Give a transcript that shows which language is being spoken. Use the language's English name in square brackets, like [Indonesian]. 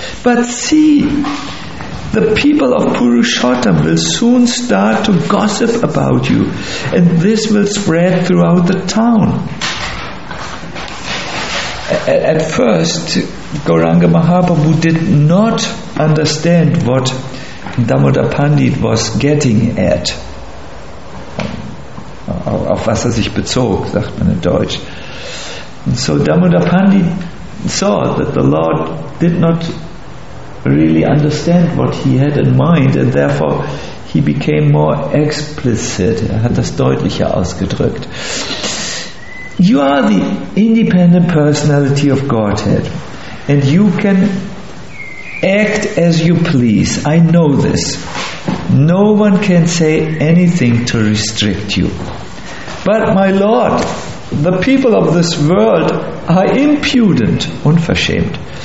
[English] But see, the people of Purushottam will soon start to gossip about you, and this will spread throughout the town." At first, Gauranga Mahaprabhu did not understand what Damodar Pandit was getting at. [German] Auf was sich bezog, sagt man in Deutsch. [English] So Damodar Pandit saw that the Lord did not really understand what he had in mind, and therefore he became more explicit. [German] Er hat das deutlicher ausgedrückt. [English] "You are the independent personality of Godhead, and you can act as you please. I know this. No one can say anything to restrict you. But my Lord, the people of this world are impudent, unverschämt.